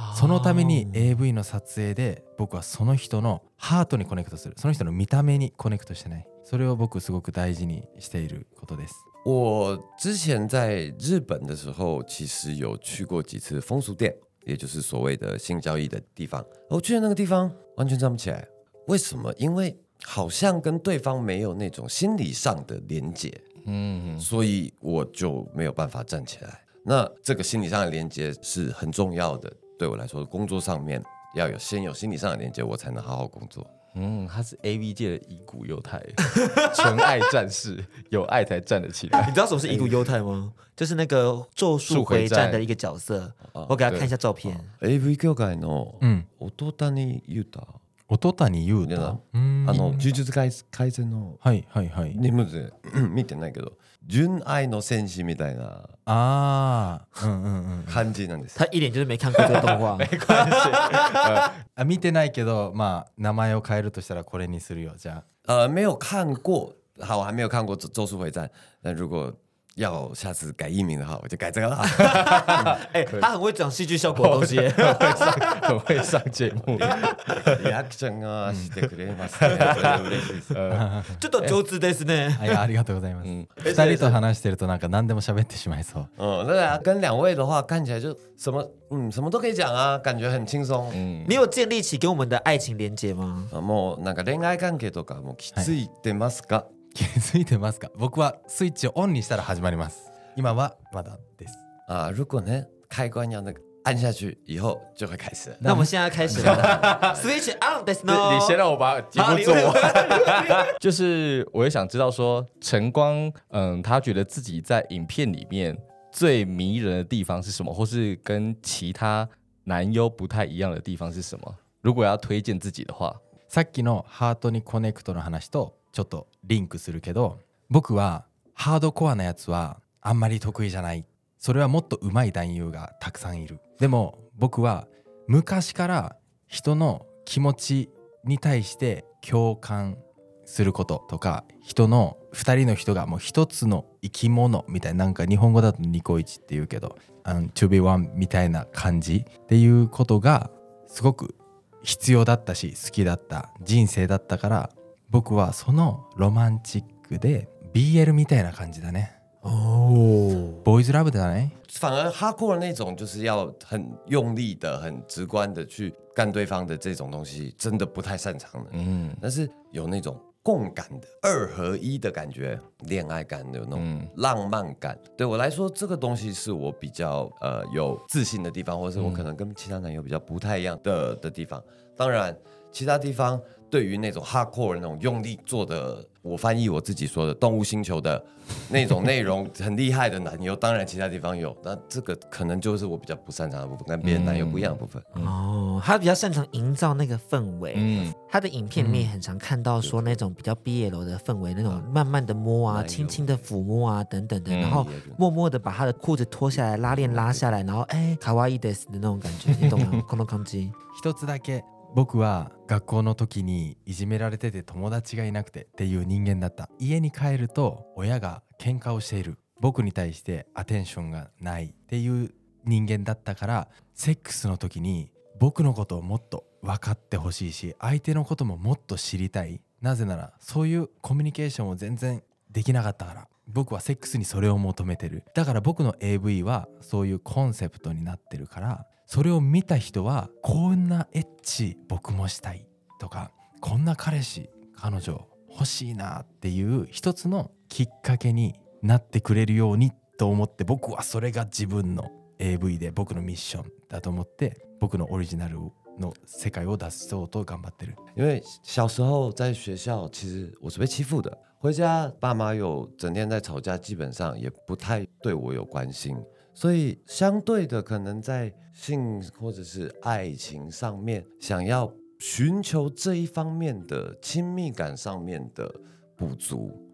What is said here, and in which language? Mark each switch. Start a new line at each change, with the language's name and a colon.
Japanese: そのために AV の撮影で、僕はその人のハートにコネクトする。その人の見た目にコネクトしてない。それを僕すごく大事にしていることです。
Chinese: 我之前在日本的时候，其实有去过几次风俗店，也就是所谓的性交易的地方。我去的那个地方完全站不起来，为什么？因为好像跟对方没有那种心理上的连结，所以我就没有办法站起来。那这个心理上的连结是很重要的，对我来说，工作上面要有先有心理上的连结，我才能好好工作。嗯，他是 AV 界的伊谷优太，纯爱战士，有爱才站得起来。你知道什么是伊谷优太吗？就是那个《咒术回战》的一个角色。我给他看一下照片。 AV 界的，嗯，乙谷优太。乙谷优太，嗯，
Japanese: あの呪術回戦の、はいはいはい。
Chinese: 你们是
Japanese: 見てないけど、純愛の戦士みたいな。啊，感じなんです。
Chinese: 他一脸就是没看过这个动画。没关系。
Japanese: 啊，見てないけど、まあ名前を変えるとしたらこれにするよ。じゃあ、
Chinese: 没有看过。好，我还没有看过《咒术回战》。那如果要下次改艺名的话，我就改这个啦。欸，他很会讲戏剧效果的东西，很会上节目。
Japanese: リアクションがしてくれますね。ちょっと上手ですね。
Chinese: 哎呀，
Japanese: ありがとうございます。二人と話してるとなんか何でも喋ってしまいそう。
Chinese: 嗯，对啊，跟两位的话看起来就什么什么都可以讲啊，感觉很轻松。你有建立起跟我们的爱情连结吗？
Japanese: もうなんか恋愛関係とかもきついてますか？気づいてますか？僕はスイッチをオンにしたら始まります。今はまだです。
Chinese: あ、如果ね、
Japanese: 開关にあの
Chinese: 按下去以后就会开始。那我们现在开始了。
English: Switch on
Japanese: ですの。
Chinese: 你先让我把节目做完。就是我也想知道说，晨光，嗯，他觉得自己在影片里面最迷人的地方是什么，或是跟其他男优不太一样的地方是什么？如果要推荐自己的话，
Japanese: さっきのハートにコネクトの話と。ちょっとリンクするけど、僕はハードコアなやつはあんまり得意じゃない。それはもっと上手い男優がたくさんいる。でも僕は昔から人の気持ちに対して共感することとか、人の二人の人がもう一つの生き物みたいな、なんか日本語だとニコイチっていうけど、
English: To be one
Japanese: みたいな感じっていうことがすごく必要だったし、好きだった人生だったから、僕はそのロマンチックで BL みたいな感じだね。
Chinese: Boys Love 的呢？反而 Hardcore 那种就是要很用力的、很直观的去干对方的这种东西，真的不太擅长的。嗯，但是有那种共感的二合一的感觉，恋爱感的那种浪漫感，嗯，对我来说，这个东西是我比较有自信的地方，或是我可能跟其他男友比较不太一样 的地方。当然，其他地方对于那种 hardcore 那种用力做的，我翻译我自己说的动物星球的那种内容很厉害的男友，当然其他地方有，那这个可能就是我比较不擅长的部分，跟别人男友不一样的部分，嗯，哦，他比较擅长营造那个氛围，嗯，他的影片里面很常看到说那种比较毕业楼的氛围，嗯，那种慢慢的摸啊，轻轻的抚摸啊等等的，嗯，然后默默的把他的裤子脱下来，拉链拉下来，然后哎，
Japanese: 可愛いです
Chinese: 的那种感觉，你懂吗？
Japanese: この感じ。一つだけ僕は学校の時にいじめられてて友達がいなくてっていう人間だった。家に帰ると親が喧嘩をしている。僕に対してアテンションがないっていう人間だったから、セックスの時に僕のことをもっと分かってほしいし、相手のことももっと知りたい。なぜならそういうコミュニケーションを全然できなかったから。僕はセックスにそれを求めてる。だから僕の AV はそういうコンセプトになってるから、それを見た人はこんなエッチ僕もしたいとかこんな彼氏彼女欲しいなっていう一つのきっかけになってくれるようにと思って僕はそれが自分の AV で僕のミッションだと思って僕のオリジナルの世界を出そうと頑張ってる。
Chinese: 因为小时候在学校其实我是被欺负的，回家爸妈又整天在吵架，基本上也不太对我有关心，所以相对的可能在性或者是爱情上面想要寻求这一方面的亲密感上面的补足，